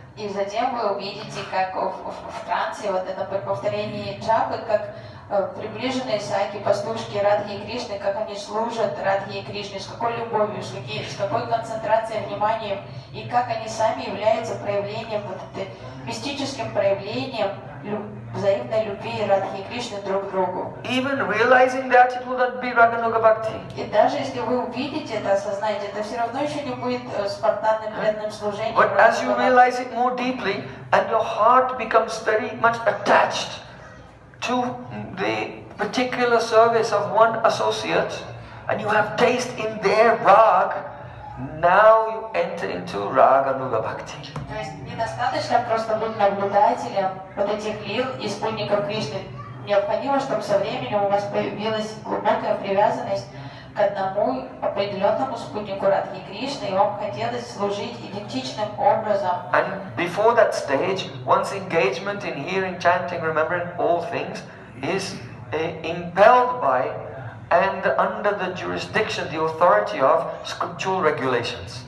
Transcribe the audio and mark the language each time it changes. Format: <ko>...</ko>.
<ru>И затем вы увидите, как в трансе, вот это повторение джапы, как приближенные сайки, пастушки Радхи и Кришны, как они служат Радхи и Кришне, с какой любовью, с какой концентрацией внимания, и как они сами являются проявлением, вот этим мистическим проявлением взаимной любви Радхи и Кришны друг к другу.</ru> <en>Even realizing that it will not be Raganuga Bhakti.</en> <ru>И даже если вы увидите это, осознаете, это все равно еще не будет спонтанным преданным служением.</ru> <en>But as you realize it more deeply, and your heart becomes very much attached to the particular service of one associate, and you have taste in their rag, now you enter into Raganuga Bhakti.</en> <ru>Недостаточно просто быть наблюдателем вот этих лил и спутников Кришны. Необходимо, чтобы со временем у вас появилась глубокая привязанность к одному определенному спутнику Радхи Кришны, и вам хотелось служить идентичным образом.</ru> <en>And before that stage, one's engagement in hearing, chanting, remembering all things is impelled by and under the jurisdiction, the authority of scriptural regulations.</en>